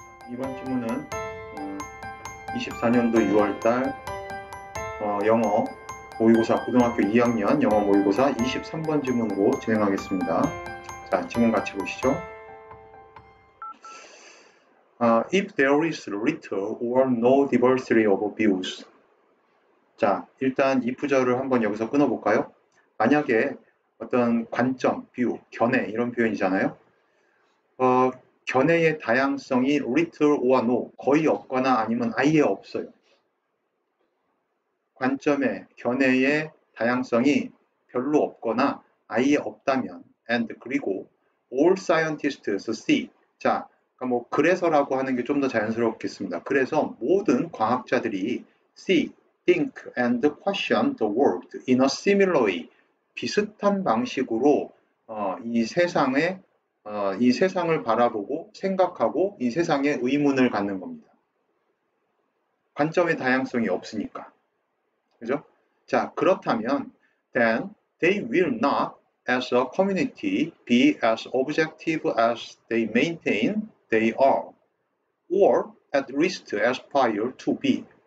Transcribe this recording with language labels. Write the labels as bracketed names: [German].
[Korean] 이번 질문은 24년도 6월달 영어 모의고사 고등학교 2학년 영어 모의고사 23번 질문으로 진행하겠습니다. 자, 질문 같이 보시죠. [English] If there is little or no diversity of views. [Korean] 자, 일단 이 부절을 한번 여기서 끊어볼까요? 만약에 어떤 관점, 뷰, 견해 이런 표현이잖아요. 견해의 다양성이 [English] little or no, [Korean] 거의 없거나 아니면 아예 없어요. 관점의 견해의 다양성이 별로 없거나 아예 없다면 and 그리고 [English] all scientists see [Korean] 자, 뭐 그래서라고 하는 게 좀 더 자연스럽겠습니다. 그래서 모든 과학자들이 [English] see, think and question the world in a similar way [Korean] 비슷한 방식으로 이 세상을 바라보고 생각하고 이 세상에 의문을 갖는 겁니다. 관점의 다양성이 없으니까. 그죠? 자, 그렇다면 [English] then they will not as a community be as objective as they maintain they are or at least aspire to be.